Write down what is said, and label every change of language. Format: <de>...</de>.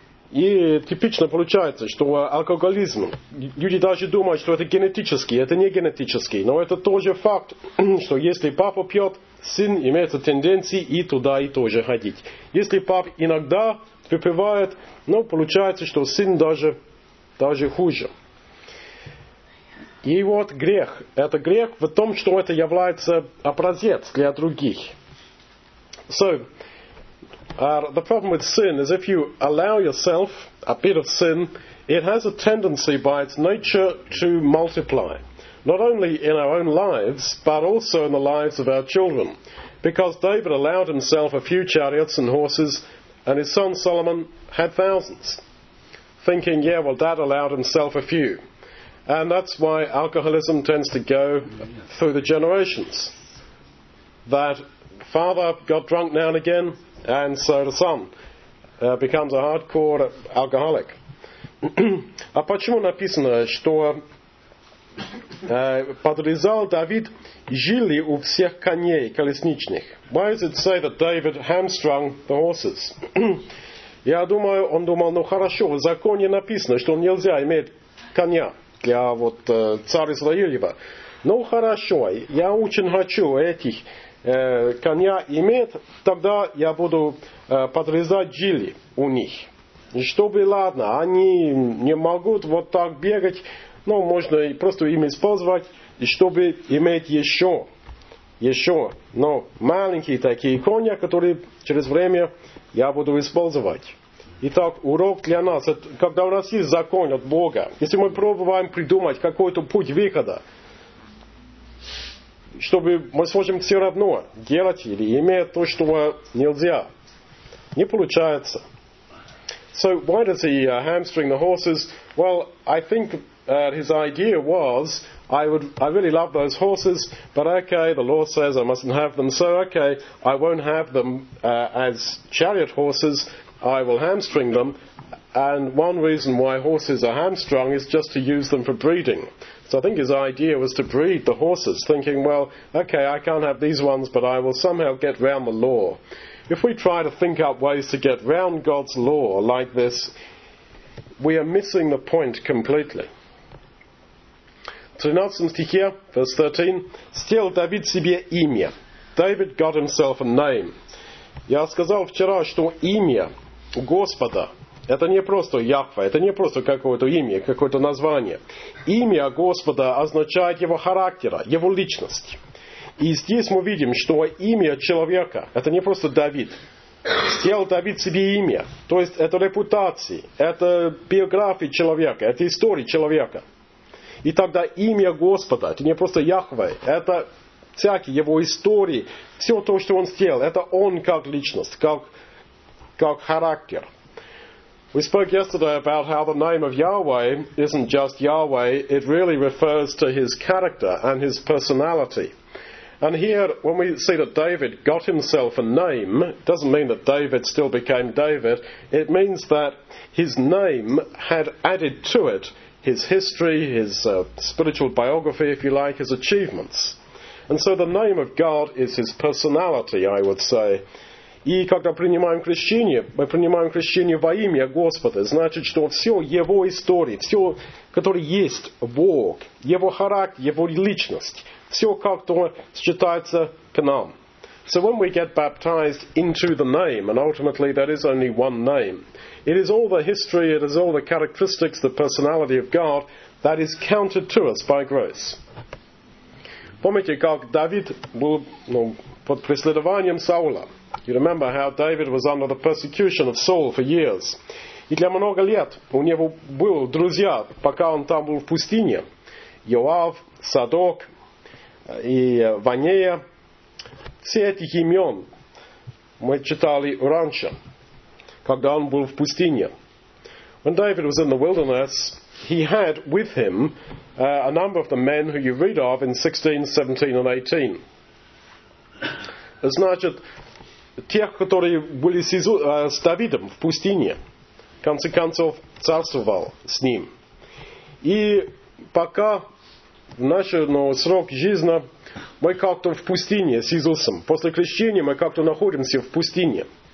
<ru>И типично получается, что алкоголизм, люди даже думают, что это генетический, это не генетический, но это тоже факт, что если папа пьет, сын имеет тенденции и туда, и тоже ходить. Если пап иногда выпивает, получается, что сын даже хуже. И вот грех. Это грех в том, что это является образец для других.</ru> <en>So, the problem with sin is if you allow yourself a bit of sin, it has a tendency by its nature to multiply. Not only in our own lives, but also in the lives of our children. Because David allowed himself a few chariots and horses, and his son Solomon had thousands. Thinking, yeah, well, dad allowed himself a few. And that's why alcoholism tends to go through the generations. That father got drunk now and again, and so the son becomes a hardcore alcoholic.</en> <ru>А почему написано, что подрезал Давид жили у всех коней колесничных?</ru> <en>Why does it say that David hamstrung the horses?</en> <ru>Я думаю, он думал, ну хорошо, в законе написано, что нельзя иметь коня для вот царя Израилева. Ну хорошо, я очень хочу этих коня иметь, тогда я буду подрезать жили у них. И чтобы, ладно, они не могут вот так бегать, ну, можно просто им использовать, и чтобы иметь еще, но маленькие такие коня, которые через время я буду использовать. Итак, урок для нас, это, когда у нас есть закон от Бога, если мы пробуем придумать какой-то путь выхода, чтобы мы сможем все равно делать или иметь то, что нельзя, не получается.</ru> <en>So why does he hamstring the horses? Well, I think his idea was, I really love those horses, but okay, the law says I mustn't have them, so okay, I won't have them as chariot horses, I will hamstring them. And one reason why horses are hamstrung is just to use them for breeding. So I think his idea was to breed the horses, thinking, well, okay, I can't have these ones, but I will somehow get round the law. If we try to think up ways to get round God's law like this, we are missing the point completely.</en> <ru>13 стихе,</ru> <en>verse 13,</en> <ru>«Стел Давид себе имя».</ru> <en>David got himself a name.</en> <ru>Я сказал вчера, что имя Господа – это не просто Яхве, это не просто какое-то имя, какое-то название. Имя Господа означает его характера, его личность. И здесь мы видим, что имя человека, это не просто Давид, сделал Давид себе имя. То есть это репутации, это биографии человека, это истории человека. И тогда имя Господа, это не просто Яхве, это всякие его истории, все то, что он сделал, это он как личность, как характер.</ru> <en>We spoke yesterday about how the name of Yahweh isn't just Yahweh, it really refers to his character and his personality. And here, when we see that David got himself a name, it doesn't mean that David still became David. It means that his name had added to it his history, his spiritual biography, if you like, his achievements. And so the name of God is his personality, I would say.</en> <ru>И когда принимаем крещение, мы принимаем крещение во имя Господа. Значит, что все его истории, все, которое есть Бог, его характер, его личность, все как-то считается к нам.</ru> <en>So when we get baptized into the name, and ultimately that is only one name, it is all the history, it is all the characteristics, the personality of God that is counted to us by grace.</en> <ru>Помните, как Давид был под преследованием Саула?</ru> <en>You remember how David was under the persecution of Saul for years.</en> <ru>И для много лет у него был друзья, пока он там был в пустыне. Йоав, Садок и Ванея. Все эти имен мы читали раньше, когда он был в пустыне.</ru> <en>When David was in the wilderness, he had with him a number of the men who you read of in 16, 17 and 18.</en> <ru>Значит, тех, которые были с Давидом в пустыне, в конце концов, царствовал с ним. И пока в наш срок жизни мы как-то в пустыне с Иисусом, после крещения мы как-то находимся в пустыне.</ru>